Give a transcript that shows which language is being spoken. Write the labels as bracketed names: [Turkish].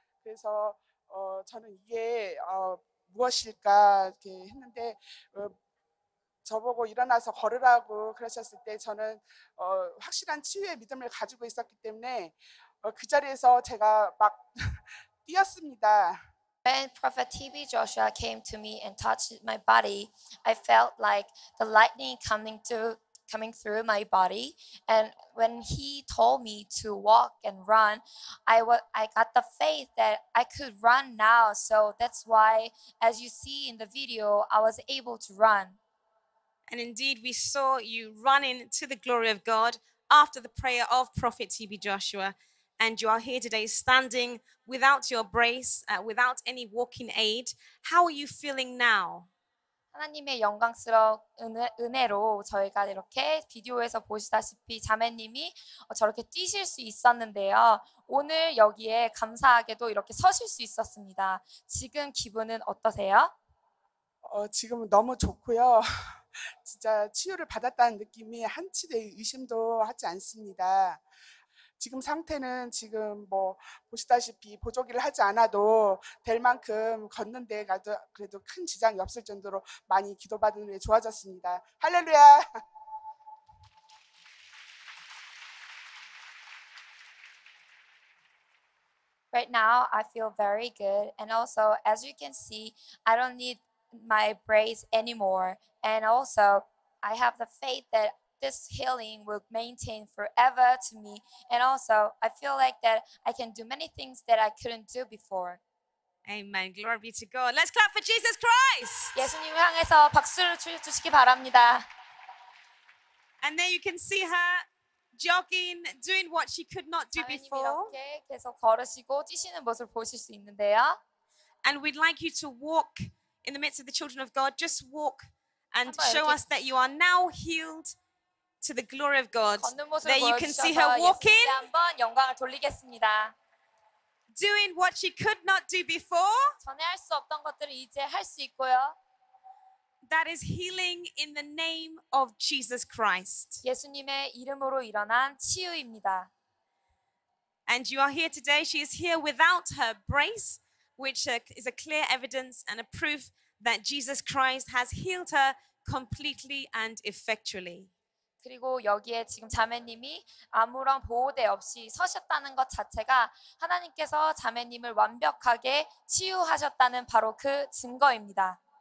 [Korean] 그래서 저는 이게 무엇일까 이렇게 했는데 저보고 일어나서 걸으라고 그러셨을 때 저는 확실한 치유의 믿음을 가지고 있었기 때문에 그 자리에서 제가 막 뛰었습니다. [English] When Prophet TB Joshua came to me and touched my body, I felt like the lightning coming through my body. And when he told me to walk and run, I got the faith that I could run now. So that's why, as you see in the video, I was able to run. And indeed, we saw you running to the glory of God after the prayer of Prophet TB Joshua. And you are here today standing without your brace, without any walking aid. How are you feeling now? [Korean] 하나님의 영광스러운 은혜로 저희가 이렇게 비디오에서 보시다시피 자매님이 저렇게 뛰실 수 있었는데요. 오늘 여기에 감사하게도 이렇게 서실 수 있었습니다. 지금 기분은 어떠세요? 지금 너무 좋고요. 진짜 치유를 받았다는 느낌이 한치도 의심도 하지 않습니다. 지금 상태는 지금 뭐 보시다시피 보조기를 하지 않아도 될 만큼 걷는데 그래도 큰 지장이 없을 정도로 많이 기도받은 후에 좋아졌습니다. 할렐루야! [English] Right now I feel very good and also as you can see I don't need my brace anymore and also I have the faith that This healing will maintain forever to me. And also, I feel like that I can do many things that I couldn't do before. Amen. Glory be to God. Let's clap for Jesus Christ. [Korean] 예수님 향해서 박수를 주시기 바랍니다. [English] And there you can see her jogging, doing what she could not do before. [Korean] 자매님 이렇게 계속 걸으시고 뛰시는 모습을 보실 수 있는데요. [English] And we'd like you to walk in the midst of the children of God. Just walk and show us that you are now healed. To the glory of God. There you can see her walking. [Korean] 한번 영광을 돌리겠습니다. [English] Doing what she could not do before. [Korean] 전에 할 수 없던 것들을 이제 할 수 있고요. [English] That is healing in the name of Jesus Christ. [Korean] 예수님의 이름으로 일어난 치유입니다. [English] And you are here today. She is here without her brace, which is a clear evidence and a proof that Jesus Christ has healed her completely and effectually. [Korean] 그리고 여기에 지금 자매님이 아무런 보호대 없이 서셨다는 것 자체가 하나님께서 자매님을 완벽하게 치유하셨다는 바로 그 증거입니다.